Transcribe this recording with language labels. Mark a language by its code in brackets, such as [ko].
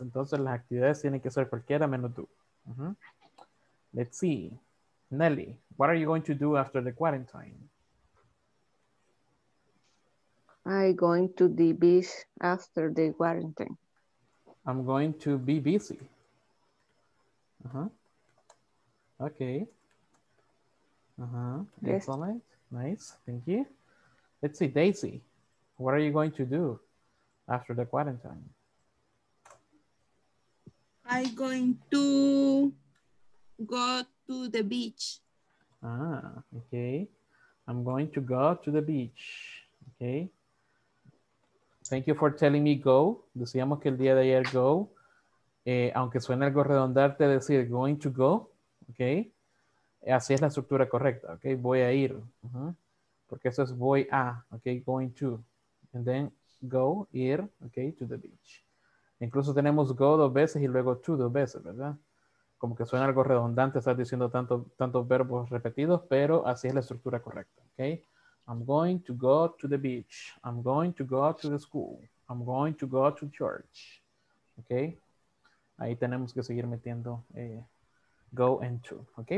[es] Entonces las actividades tienen que ser cualquiera menos tú. [en] Let's see. Nelly, what are you going to do after the quarantine? I'm going to be busy after the quarantine. I'm going to be busy. Okay. Yes. Excellent. Nice. Thank you. Let's see. Daisy, what are you going to do after the quarantine? I'm going to go to the beach. Okay. I'm going to go to the beach. Okay. Thank you for telling me go. [es] Decíamos que el día de ayer go, aunque suene algo redundante decir going to go, okay. Así es la estructura correcta, okay. Voy a ir. Porque eso es voy a, okay, going to. [en] And then go, ir, okay, to the beach. [es] Incluso tenemos go dos veces y luego to dos veces, ¿verdad? Como que suena algo redundante estar diciendo tantos verbos repetidos, pero así es la estructura correcta, ¿ok? [en] I'm going to go to the beach. I'm going to go to the school. I'm going to go to church. ¿Ok? [es] Ahí tenemos que seguir metiendo [en] go and to. ¿Ok?